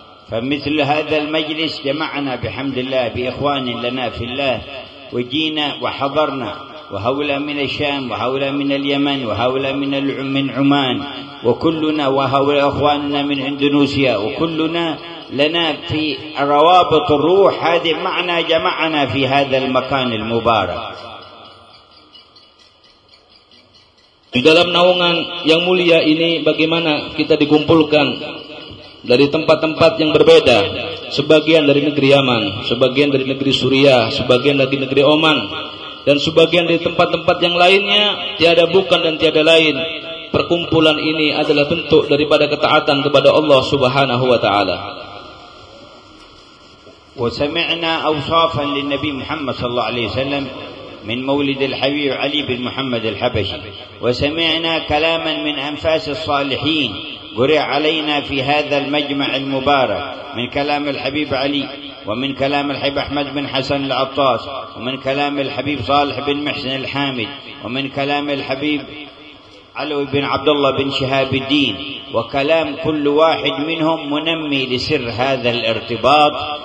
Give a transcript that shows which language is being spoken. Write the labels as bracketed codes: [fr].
[ar] فمثل هذا المجلس جمعنا بحمد الله بإخوان لنا في الله وجينا وحضرنا وهؤلاء من الشام وهؤلاء من اليمن وهؤلاء من عمان وكلنا وهؤلاء أخواننا من إندونيسيا وكلنا لنا في روابط الروح هذه معنا جمعنا في هذا المكان المبارك. [id] Di dalam naungan yang mulia ini bagaimana kita dikumpulkan dari tempat-tempat yang berbeda, sebagian dari negeri Yaman, sebagian dari negeri Suriah, sebagian dari negeri Oman, dan sebagian di tempat-tempat yang lainnya, tiada bukan dan tiada lain, perkumpulan ini adalah bentuk daripada ketaatan kepada Allah subhanahu wa ta'ala. [ar] Wa sami'na awsafan li Nabi Muhammad sallallahu alaihi wasallam min maulid al-habib Ali bin Muhammad al-Habashi, wa sami'na kalaman min anfas as-salihin qura'a alaina fi hadha al-majma' al-mubarak min kalam al-habib Ali ومن كلام الحبيب أحمد بن حسن العطاس ومن كلام الحبيب صالح بن محسن الحامد ومن كلام الحبيب علوي بن عبد الله بن شهاب الدين وكلام كل واحد منهم منمي لسر هذا الارتباط.